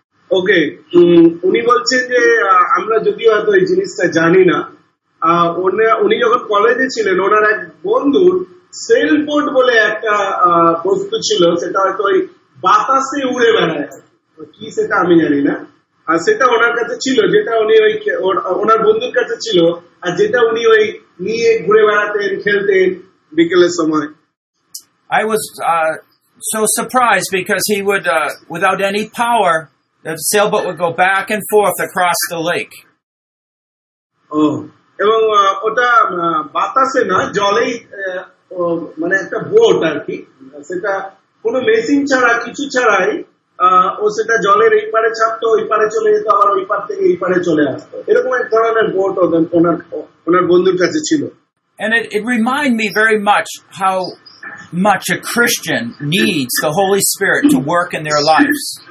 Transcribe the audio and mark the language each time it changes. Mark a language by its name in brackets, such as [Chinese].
[Bangla] Okay, উনি বলছেন যে আমরা যদিও হয়তো এই জিনিসটা জানি না, উনি যখন কলেজে ছিলেন ওনার এক বন্ধুর সেলবোট বলে একটা বস্তু ছিল, সেটা হয়তো ওই বাতাসে উড়ে বেড়ায় কি সেটা আমি জানি না, আর সেটা ওনার কাছে ছিল যেটা উনি ওই ওনার বন্ধুর কাছে ছিল আর যেটা উনি ওই নিয়ে ঘুরে বেড়াতেন খেলতেন বিকেলের সময়. [English] I was so surprised because he would without any power the sailboat would go back and forth across the lake. [Bangla] এবং ওটা বাতাসে না জলেই মানে একটা বোট আর কি, সেটা কোনো মেশিন ছাড়া কিছু ছাড়াই ও সেটা জলের এই পারে ছাড়তো ওই পারে চলে যেত আবার ওই পার থেকে এই পারে চলে আসতো, এরকম এক ধরনের বোট ওনার বন্ধুর কাছে ছিল. [English] And it reminded me very much how much a Christian needs the Holy Spirit to work in their lives.